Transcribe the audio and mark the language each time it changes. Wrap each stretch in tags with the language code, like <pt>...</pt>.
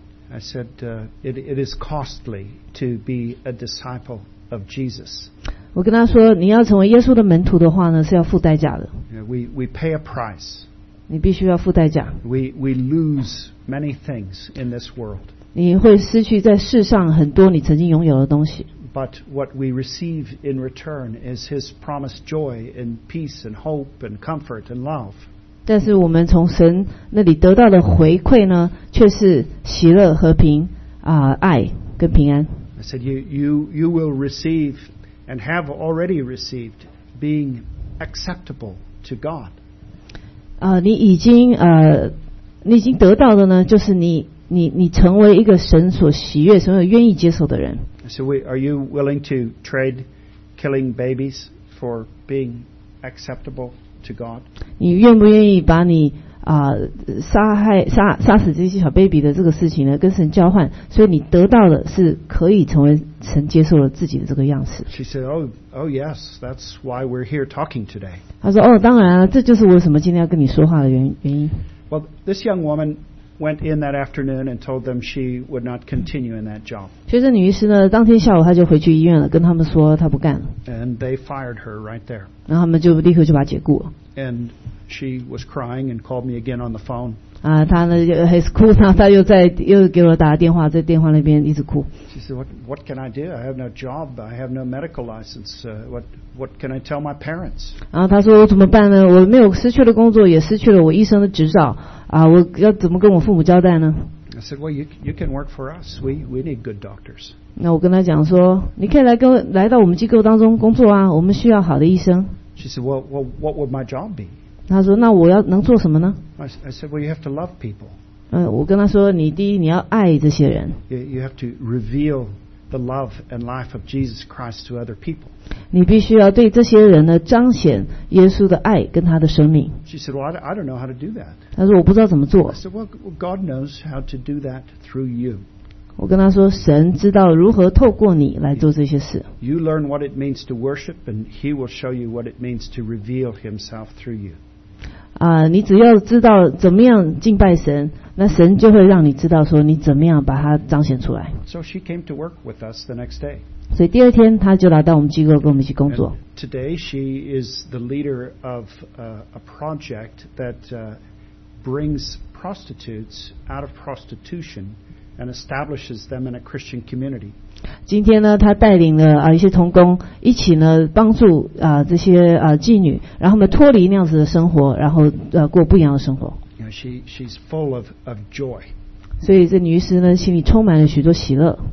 <en>I said it is costly to be a disciple of Jesus.</en> <zh>我跟他说你要成为耶稣的门徒的话呢是要付代价的。</zh> <en>We pay a price.</en> <zh>你必须要付代价。</zh> <en>We lose many things in this world.</en> <zh>你会失去在世上很多你曾经拥有的东西。</zh> <en>But what we receive in return is His promised joy and peace and hope and comfort and love.</en> <zh>但是我们从神那里得到的回馈呢, 却是喜乐和平, 啊, 爱跟平安。</zh> <en>I said, you will receive and have already received being acceptable to God.</en> <zh>你已经得到的呢, 就是你成为一个神所喜悦、神所愿意接受的人。</zh> <en>So are you willing to trade killing babies for being acceptable to God?</en> <zh>你愿不愿意把你, 杀死这些小 baby 的这个事情呢，跟神交换，所以你得到的是可以成为神接受了自己的这个样式。</zh> <en>She said, "Oh, yes, that's why we're here talking today."</en> <zh>她说，哦，当然啊，这就是我为什么今天要跟你说话的原因。</zh> <en>Well, this young woman went in that afternoon and told them she would not continue in that job.</en> <zh>学生女医师呢，当天下午她就回去医院了，跟他们说她不干了。</zh> <en>And they fired her right there.</en> <zh>然后他们就立刻就把她解雇了。</zh> <en>And she was crying and called me again on the phone.</en> <zh>她呢还是哭，然后她又给我打了电话，在电话那边一直哭。</zh> <en>She said, "What can I do? I have no job. I have no medical license. What can I tell my parents?"</en> <zh>然后她说，我怎么办呢？我没有失去了工作，也失去了我医生的执照。我要怎么跟我父母交代呢？</zh> <en>I said, "Well, you can work for us. We need good doctors."</en> <zh>那我跟他讲说，你可以来到我们机构当中工作啊，我们需要好的医生。</zh> <en>She said, "Well, what would my job be?"</en> <zh>他说，那我要能做什么呢？</zh> <en>I said, "Well, you have to love people."</en> <zh>我跟他说，你第一你要爱这些人。</zh> <en>You have to reveal the love and life of Jesus Christ to other people.</en> <zh>你必须要对这些人呢彰显耶稣的爱跟他的生命。</zh> <en>She said, "Well, I don't know how to do that."</en> <zh>他说我不知道怎么做。</zh> <en>I said, "Well, God knows how to do that through you."</en> <zh>我跟他说，神知道如何透过你来做这些事。</zh> <en>You learn what it means to worship, and He will show you what it means to reveal Himself through you.</en> <zh>你只要知道怎么样敬拜神，那神就会让你知道说你怎么样把它彰显出来。</zh> <en>So she came to work with us the next day.</en> <zh>所以第二天她就来到我们机构跟我们一起工作。</zh> <en>And today she is the leader of a project that brings prostitutes out of prostitution and establishes them in a Christian community.</en> <zh>今天呢，她带领了一些同工一起呢帮助这些妓女，然后呢脱离那样子的生活，然后过不一样的生活。</zh> <en>She's full of joy.</en> <zh>所以这女士呢，心里充满了许多喜乐。</zh>